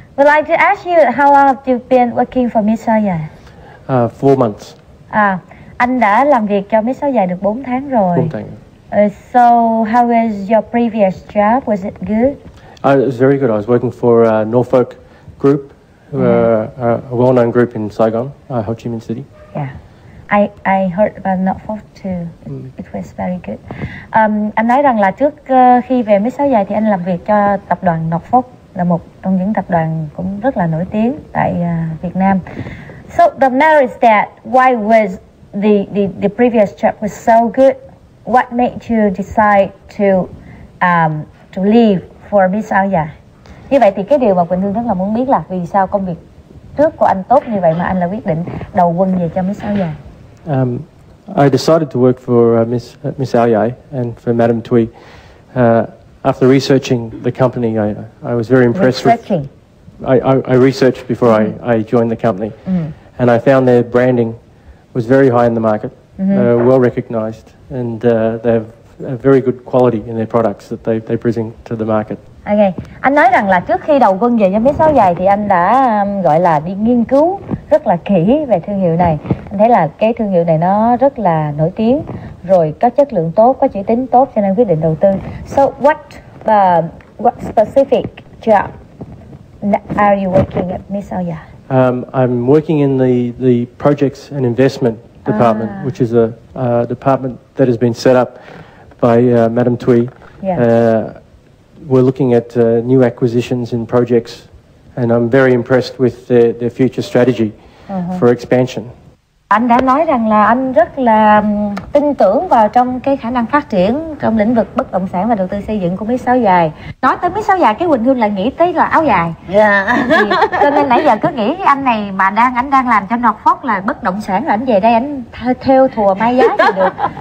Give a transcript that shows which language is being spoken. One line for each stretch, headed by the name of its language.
English: Would like to ask you how long have you been working for Miss Soya? 4 months.
Vietnamese: À, anh đã làm việc cho Miss Soya được 4 tháng rồi. 4 tháng.
English: So how was your previous job? Was it good? It was very good. I was working for Norfolk Group. A well-known group in Saigon, Ho Chi Minh City. Yeah, I heard about Norfolk too. It was very good.
Vietnamese: Anh nói rằng là trước khi về Miss Soya thì anh làm việc cho tập đoàn Norfolk, là một trong những tập đoàn cũng rất là nổi tiếng tại Việt Nam.
English: So the matter is that why was the previous job was so good? What made you decide to leave for Miss Soya?
Vietnamese: Như vậy thì cái điều mà Quỳnh Hương rất là muốn biết là vì sao công việc trước của anh tốt như vậy mà anh lại quyết định đầu quân về cho Miss Aoyai?
English: I decided to work for Miss Aoyai and for Madame Thuy. After researching the company, I was very impressed with... Researching? I researched before I joined the company. Mm-hmm. And I found their branding was very high in the market, mm-hmm. Well recognized, and they have a very good quality in their products that they present to the market.
Vietnamese: Ok, anh nói rằng là trước khi đầu quân về cho Miss Soya thì anh đã gọi là đi nghiên cứu rất là kỹ về thương hiệu này. Anh thấy là cái thương hiệu này nó rất là nổi tiếng, rồi có chất lượng tốt, có chữ tín tốt, cho nên quyết định đầu tư.
English: So what specific job are you working at Miss Soya? I'm working in the projects and investment department, which is a department that has been set up by Madame Thuy. Yeah. We're looking at new acquisitions and projects, and I'm very impressed with their future strategy for expansion.
Vietnamese: Anh đã nói rằng là anh rất là tin tưởng vào trong cái khả năng phát triển trong lĩnh vực bất động sản và đầu tư xây dựng của Miss Áo Dài. Nói tới Miss Áo Dài, cái Quỳnh Hương lại nghĩ tới là áo dài.
English: Yeah.
Vietnamese: Thì, cho nên nãy giờ cứ nghĩ cái anh này mà anh đang làm cho North Fork là bất động sản, là anh về đây anh theo thùa may giá thì được.